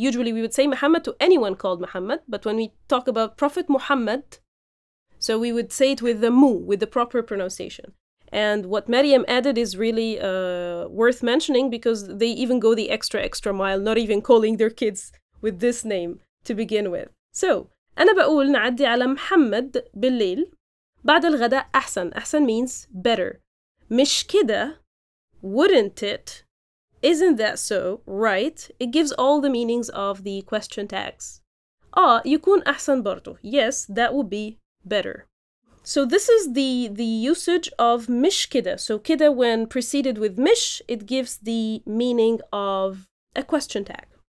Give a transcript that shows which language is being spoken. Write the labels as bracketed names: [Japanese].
[English] Usually we would say Muhammad to anyone called Muhammad. But when we talk about Prophet Muhammad, so we would say it with the mu, with the proper pronunciation. And what Maryam added is really worth mentioning because they even go the extra mile, not even calling their kids with this name to begin with. [Arabic] So, أنا بقول نعدي على محمد بالليل بعد الغداء أحسن. [English] أحسن means better. [Arabic] مش كده, [English] wouldn't it, isn't that so, right? It gives all the meanings of the question tags. [Arabic] يكون أحسن برضو. [English] Yes, that would be better. So this is the usage of mish kida. So kida, when preceded with mish, it gives the meaning of a question tag.